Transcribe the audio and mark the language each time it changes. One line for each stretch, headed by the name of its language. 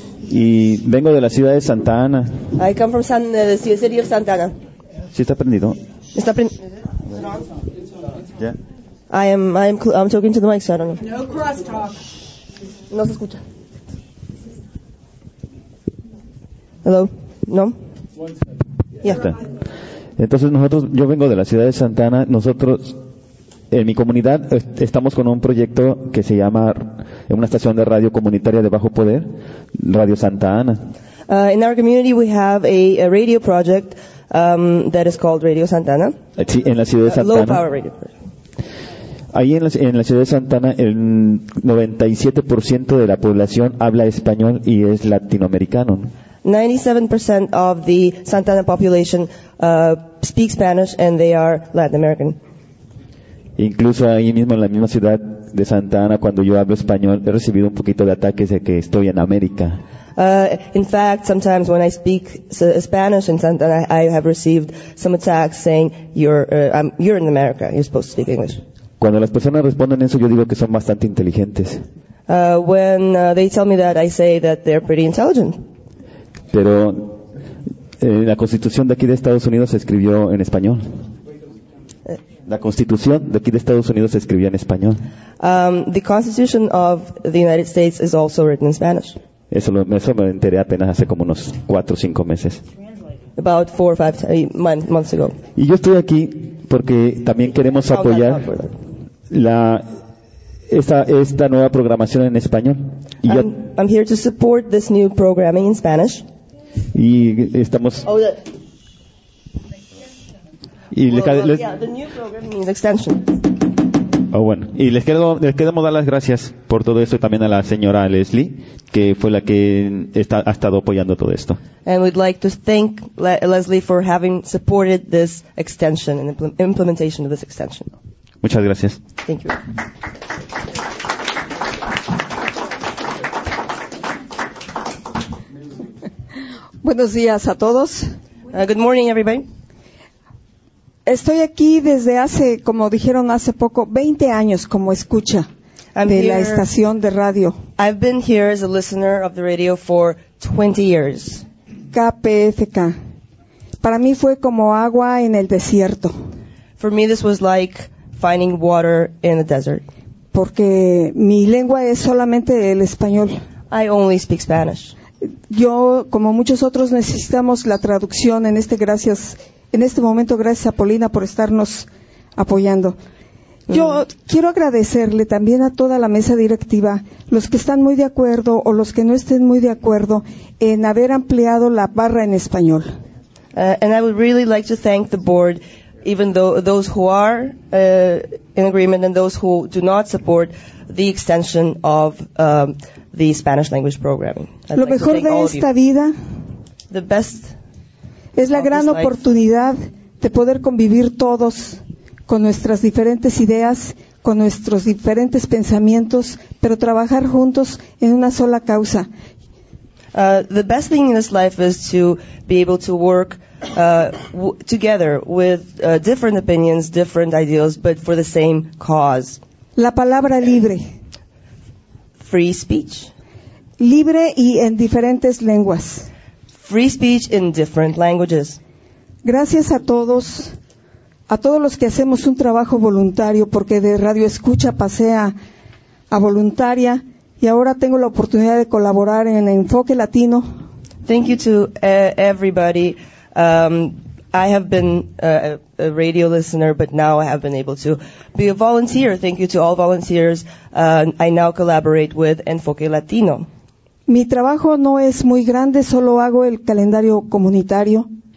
Spanish: Y vengo de la ciudad de Santa Ana.
English: I come from the city of Santa Ana.
Spanish: ¿Sí está prendido? Está prendido.
English: Yeah. I'm talking to the mic, so I don't know. No crosstalk.
Spanish: No se escucha.
English: Hello? No? Yeah. Okay.
Spanish: Entonces nosotros, yo vengo de la ciudad de Santa Ana. Nosotros, en mi comunidad, estamos con un proyecto que se llama, en una estación de radio comunitaria de bajo poder, Radio Santa Ana.
English: In our community we have a radio project that is called Radio Santa Ana.
Spanish: Sí, en la ciudad de Santa Ana.
English: Low power radio project.
Spanish: Ahí en la ciudad de Santa Ana, el 97% de la población habla español y es latinoamericano.
English: 97% of the Santa Ana population speaks Spanish and they are Latin American.
Spanish: Incluso ahí mismo en la misma ciudad de Santa Ana, cuando yo hablo español, he recibido un poquito de ataques de que estoy en América.
English: In fact, sometimes when I speak Spanish in Santa Ana, I have received some attacks saying, you're in America, you're supposed to speak English.
Spanish: Cuando las personas responden eso, yo digo que son bastante inteligentes.
English: When they tell me that, I say that they're pretty intelligent.
Spanish: Pero la Constitución de aquí de Estados Unidos se escribió en español. La Constitución de aquí de Estados Unidos se escribió en español.
English: The Constitution of the United States is also written in Spanish.
Spanish: Eso me enteré apenas hace como unos 4 o 5 meses.
English: About 4 or 5 months ago.
Spanish: Y yo estoy aquí porque también queremos apoyar esta nueva programación en español. Y
English: I'm here to support this new programming in Spanish.
Spanish: Y estamos.
English: Oh, the.
Spanish: Y
English: the new program means extension.
Spanish: Oh, bueno. Y les queremos dar las gracias por todo esto y también a la señora Leslie, que fue la que ha estado apoyando todo esto.
English: And we'd like to thank Leslie for having supported this extension and implementation of this extension.
Spanish: Muchas gracias.
English: Thank you.
Spanish: Buenos días a todos.
English: Good morning, everybody.
Spanish: Estoy aquí desde hace, como dijeron hace poco, 20 años como escucha de la estación de radio.
English: I've been here as a listener of the radio for 20 years. KPFK.
Spanish: Para mí fue como agua en el desierto.
English: For me this was like finding water in the desert.
Spanish: Porque mi lengua es solamente el español.
English: I only speak Spanish.
Spanish: Yo, como muchos otros, necesitamos la traducción en este gracias. En este momento, gracias a Paulina por estarnos apoyando. Yo quiero agradecerle también a toda la mesa directiva, los que están muy de acuerdo o los que no estén muy de acuerdo, en haber ampliado la barra en español.
English: And I would really like to thank the board, even though those who are in agreement and those who do not support the extension of the Spanish language programming. I'd
Spanish: Lo mejor
English: like to thank
Spanish: de esta vida
English: the best
Spanish: es la gran oportunidad
English: life.
Spanish: De poder convivir todos con nuestras diferentes ideas, con nuestros diferentes pensamientos, pero trabajar juntos en una sola causa.
English: The best thing in this life is to be able to work together with different opinions, different ideals, but for the same cause.
Spanish: La palabra libre.
English: Free speech.
Spanish: Libre y en diferentes lenguas.
English: Free speech in different languages.
Spanish: Gracias a todos. A todos los que hacemos un trabajo voluntario, porque de Radio Escucha pasé a voluntaria y ahora tengo la oportunidad de colaborar en Enfoque Latino.
English: Thank you to everybody. I have been a radio listener, but now I have been able to be a volunteer. Thank you to all volunteers. I now collaborate with Enfoque Latino.
Spanish: Mi trabajo no es muy grande, solo hago el calendario comunitario.